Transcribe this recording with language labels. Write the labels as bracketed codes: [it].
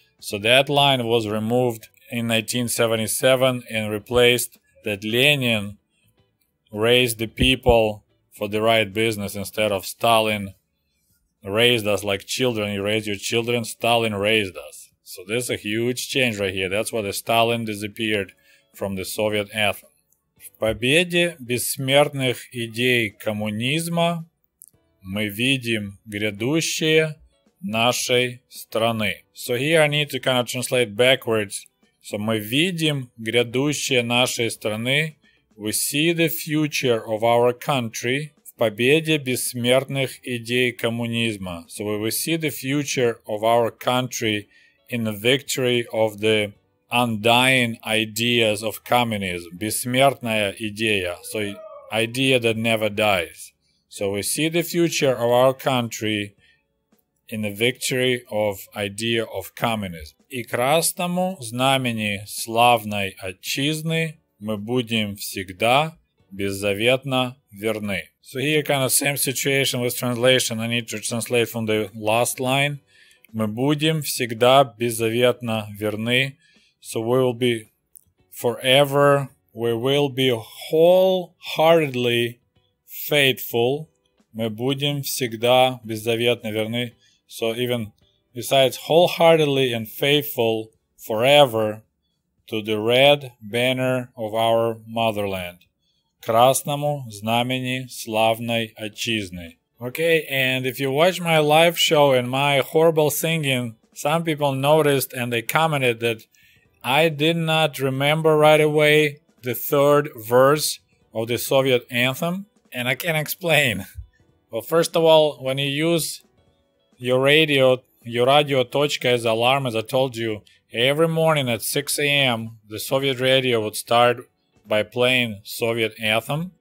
[en] So that line was removed in 1977 and replaced that Lenin raised the people for the right business instead of Stalin raised us like children, you raise your children, Stalin raised us. So this is a huge change right here. That's why the Stalin disappeared from the Soviet anthem. [ru] В победе бессмертных идей коммунизма мы видим грядущее нашей страны. [en] So here I need to kind of translate backwards. [ru] So мы видим грядущее нашей страны. [en] We see the future of our country. [ru] В победе бессмертных идей коммунизма. [en] So we see the future of our country in the victory of the undying ideas of communism. [ru] Бессмертная идея. [en] So idea that never dies. So we see the future of our country in the victory of idea of communism. [ru] И красному знамени славной отчизны мы будем всегда беззаветно верны. [en] So here kind of same situation with translation. I need to translate from the last line. [ru] Мы будем всегда беззаветно верны. [en] So we will be forever, we will be wholeheartedly faithful. [ru] Мы будем всегда беззаветно верны. [en] So even besides wholeheartedly and faithful forever to the red banner of our motherland. [ru] Красному знамени славной отчизны. [en] Okay, and if you watch my live show and my horrible singing, some people noticed and they commented that I did not remember right away the third verse of the Soviet anthem, and I can explain. Well, first of all, when you use your radio точка as alarm, as I told you, every morning at 6 a.m., the Soviet radio would start by playing Soviet anthem.